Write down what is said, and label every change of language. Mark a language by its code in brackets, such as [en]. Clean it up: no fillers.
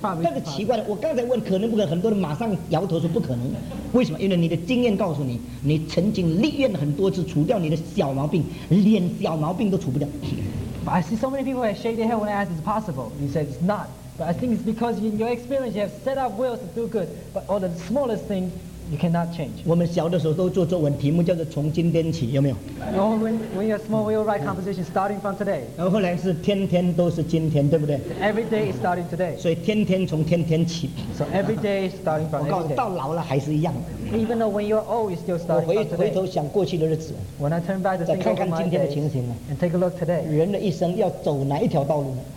[zh] 但是奇怪的，我刚才问可能不可能，很多人马上摇头说不可能。为什么？因为你的经验告诉你，你曾经立愿很多次除掉你的小毛病，连小毛病都除不掉。 [en] But I see so many people that shake their head when I ask, "Is it possible?" He says, "It's not." But I think it's because in your experience, you have set up wills to do good, but all the smallest things. You cannot change. [zh] 我们小的时候都做作文，题目叫做从今天起，有没有？ [en] Oh, when you're small, we'll write composition starting from today. [zh] 然后后来是天天都是今天，对不对？ [en] Every day is starting today. [zh] 所以天天从天天起。 [en] So every day is starting from today. [zh] 我告诉你，到老了还是一样。 [en] Even though when you're old, you still starting from today. [zh] 回头想过去的日子。 [en] When I turn back to think of my days. And take a look today. [zh] 人的一生要走哪一条道路呢？